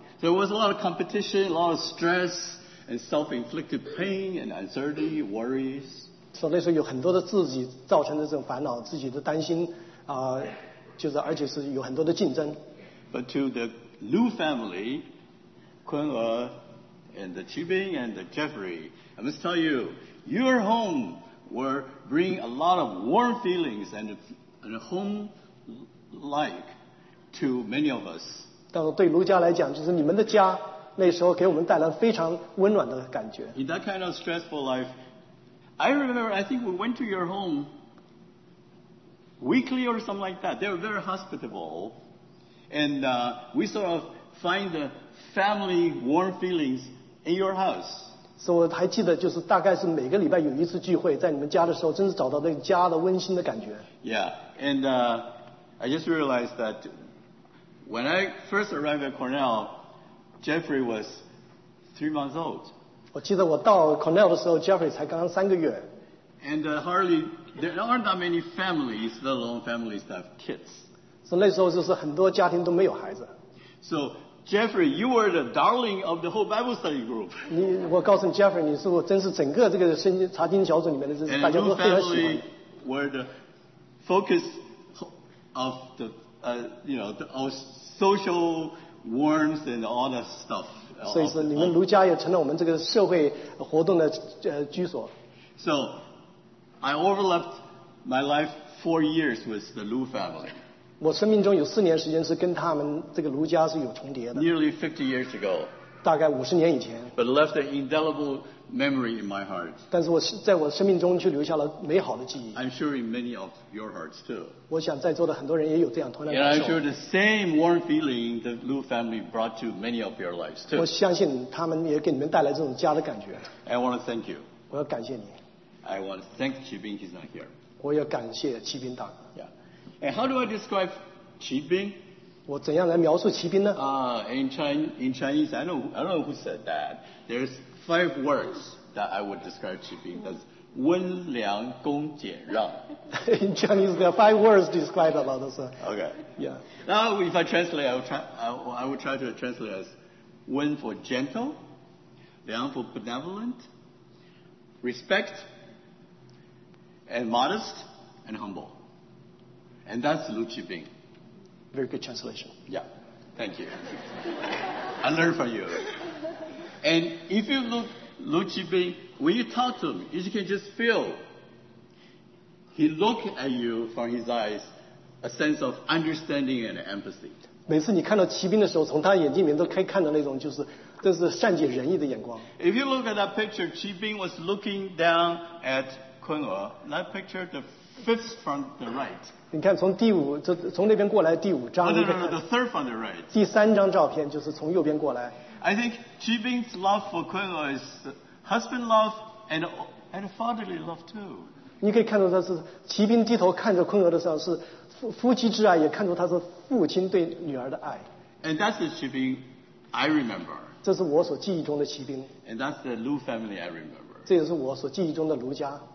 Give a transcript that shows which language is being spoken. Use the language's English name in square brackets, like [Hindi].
[English] There was a lot of competition, a lot of stress, and self-inflicted pain and anxiety, worries. [Chinese] So 那时候有很多的自己造成的这种烦恼，自己的担心，就是而且是有很多的竞争。 [English] But to the Liu family, Kun Er and the Qibing and the Jeffrey, I must tell you, your home will bring a lot of warm feelings and a home-like to many of us. [Chinese] 但是对卢家来讲，就是你们的家那时候给我们带来非常温暖的感觉。 [English] In that kind of stressful life, I remember, I think we went to your home weekly or something like that. They were very hospitable. And we sort of find the family warm feelings in your house. [Chinese] 所以我还记得，就是大概是每个礼拜有一次聚会，在你们家的时候，真是找到那个家的温馨的感觉。 [English] Yeah, and I just realized that when I first arrived at Cornell, Jeffrey was 3 months old. [Chinese] 我记得我到 Cornell 的时候 ，Jeffrey 才刚刚三个月。 [English] And hardly there aren't that many families, let alone families that have kids. [Chinese] 所以那时候就是很多家庭都没有孩子。 [English] So. Jeffrey, you were the darling of the whole Bible study group. [Chinese] 你我告诉你 ，Jeffrey， 你是我真是整个这个圣经查经小组里面的，真是大家都非常喜欢。 [English] And family were the focus of the, our social warmth and all that stuff. [Chinese] 所以说，你们卢家也成了我们这个社会活动的居所。 [English] So, I overlapped my life 4 years with the Lu family. [Chinese] 我生命中有四年时间是跟他们这个卢家是有重叠的。 [English] Nearly 50 years ago. [Chinese] 大概五十年以前。 [English] But left an indelible memory in my heart. [Chinese] 但是我在我生命中却留下了美好的记忆。 [English] I'm sure in many of your hearts too. [Chinese] 我想在座的很多人也有这样同样的感受。 [English] And I'm sure the same warm feeling the Lu family brought to many of your lives too. [Chinese] 我相信他们也给你们带来这种家的感觉。 [English] I want to thank you. [Chinese] 我要感谢你。 [English] I want to thank Qibing, he's not here. [Chinese] 我要感谢齐斌大哥。 [English] Yeah. And how do I describe Qi Bing? [Chinese] 我怎样来描述骑兵呢？ [English] In Chinese, I don't know who said that. There's 5 words that I would describe Qi Bing. That's 温良恭俭让。 In Chinese, there are 5 words describe about us. Okay. Yeah. Now, if I translate, I will try to translate as 温 for gentle, 良 for benevolent, respect, and modest, and humble. And that's Lu Qibing. Very good translation. Yeah. Thank you. I learned from you. And if you look Lu Qibing, when you talk to him, you can just feel he look at you from his eyes a sense of understanding and empathy. [Chinese] 每次你看到骑兵的时候，从他眼睛里面都可以看到那种就是真是善解人意的眼光。 [English] If you look at that picture, Qibing was looking down at Kun E. That picture, the fifth from the right. [Chinese] 你看从第五从那边过来第五张、 [English] oh, no, the third from the right. [Chinese] 第三张照片就是从右边过来 [English] I think Qi Bing's love for Kun E is husband love and fatherly love too [Chinese] 你可以看出他是骑兵低头看着昆娥的时候是夫妻之爱也看出他是父亲对女儿的爱 [English] and that's the Qi Bing I remember [Chinese] 这是我所记忆中的骑兵 [English] and that's the Lu family I remember [Chinese] 这也是我所记忆中的卢家